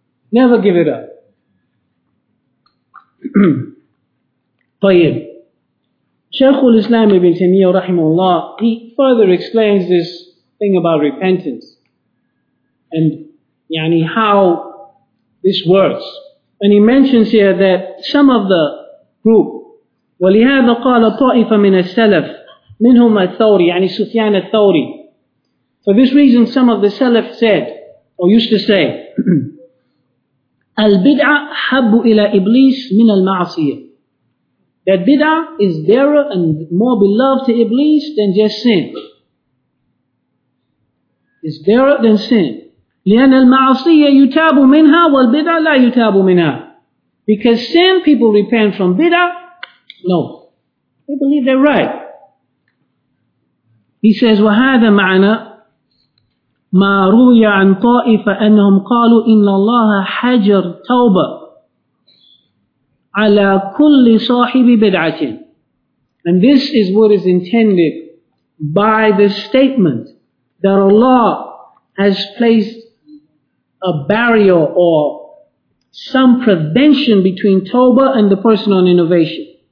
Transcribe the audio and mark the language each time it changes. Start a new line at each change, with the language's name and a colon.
English: Never give it up.
Arabic: طيب.
English: Shaykh al-Islam ibn Taymiyyah rahimahullah, he further explains this thing about repentance. And
Arabic: يعني
English: how this works. And he mentions here that some of the group,
Arabic: وَلِهَذَا قَالَ طَائِفَ مِنَ السَّلَفِ مِنْهُمَ الثَّوْرِ يعني سُفْيَانَ الثَّوْرِ.
English: For this reason some of the Salaf said, or used to say,
Arabic: البدعة حب إلى إبليس من المعصية.
English: That bid'ah is dearer and more beloved to Iblis than just sin. It's dearer than sin.
Arabic: لأن المعصية يتاب منها والبدعة لا يتاب منها.
English: Because sin, people repent from bid'ah. No. They believe they're right. He says,
Arabic: وهذا معنى ما روي عن طائفة أنهم قالوا إن الله حجر توبة على كل صاحب بدعة.
English: And this is what is intended by the statement that Allah has placed a barrier or some prevention between Tawbah and the person on innovation.